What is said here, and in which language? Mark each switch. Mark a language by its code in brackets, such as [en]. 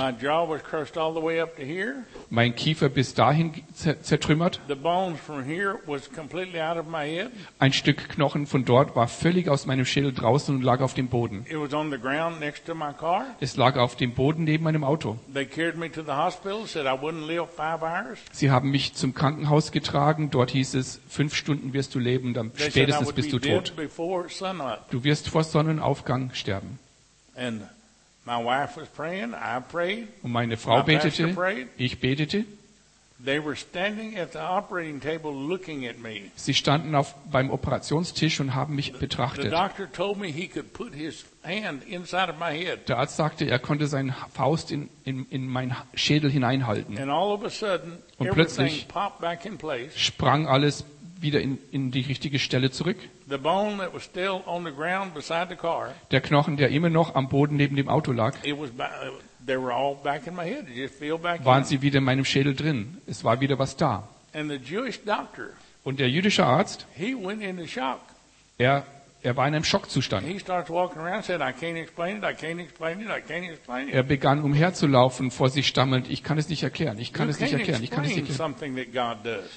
[en] My jaw was crushed all the way up to here. [de] Mein Kiefer bis dahin zertrümmert. [en] The bones from here was completely out of my head. [de] Ein Stück Knochen von dort war völlig aus meinem Schädel draußen und lag auf dem Boden. [en] It was on the ground next to my car. [de] Es lag auf dem Boden neben meinem Auto. [en] They carried me to the hospital, said I wouldn't live 5 hours. [de] Sie haben mich zum Krankenhaus getragen. Dort hieß es, 5 Stunden wirst du leben, dann spätestens bist du tot. Du wirst vor Sonnenaufgang sterben. [en] And my wife was praying, I prayed. [de] Und meine Frau betete, ich betete. [en] They were standing at the operating table looking at me. [de] Sie standen beim Operationstisch und haben mich betrachtet. [en] The doctor told me he could put his hand inside of my head. [de] Der Arzt sagte, er konnte seine Faust in meinen Schädel hineinhalten. [en] And all of a sudden, [de] und plötzlich [en] popped back in place. [de] Sprang alles wieder in die richtige Stelle zurück. [en] The bone that was still on the ground beside the car, [de] der Knochen, der immer noch am Boden neben dem Auto lag, waren sie wieder in meinem Schädel drin. Es war wieder was da. [en] And the Jewish doctor, [de] und der jüdische Arzt, [en] he went into shock. [de] Er Er war in einem Schockzustand. Er begann umherzulaufen, vor sich stammelnd: Ich kann es nicht erklären, ich kann es nicht erklären, ich kann es nicht erklären.